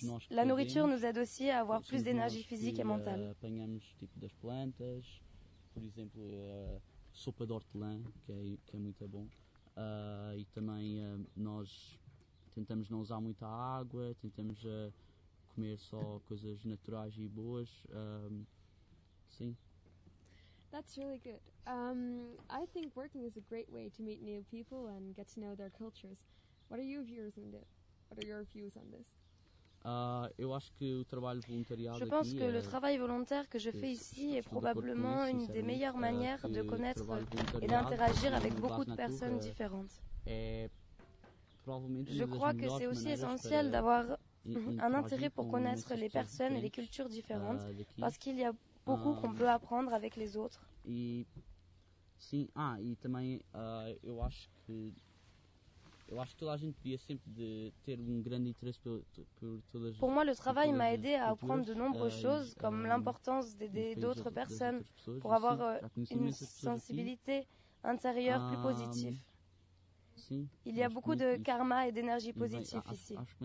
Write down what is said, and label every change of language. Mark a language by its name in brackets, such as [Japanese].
[French] La nourriture nous aide aussi à avoir plus d'énergie physique et mentale. [Portuguese] Apanhamos tipo das plantas, por exemplo, sopa de hortelã, que é muito bom. E também nós tentamos não usar muita água, tentamos comer só coisas naturais e boas. Sim. [English] That's really good. I think working is a great way to meet new people and get to know their cultures. What are your views on this? [Portuguese] Eu acho que o trabalho voluntariado [French] je pense [Portuguese] aqui [French] que le travail volontaire que je fais ici est probablement une des meilleures manières de connaître et d'interagir avec beaucoup de personnes différentes. Je crois que c'est aussi essentiel d'avoir un intérêt pour connaître les personnes et les cultures différentes parce qu'il y a beaucoup qu'on peut apprendre avec les autres. Et aussi, je pense que... [Portuguese] Eu acho que toda a gente devia sempre de ter grande interesse por todas as [French] Pour moi, le travail m'a aidé à apprendre de nombreuses choses, comme l'importance d'aider d'autres personnes pour avoir une sensibilité intérieure plus positive. Il y a beaucoup de karma et d'énergie positive ici.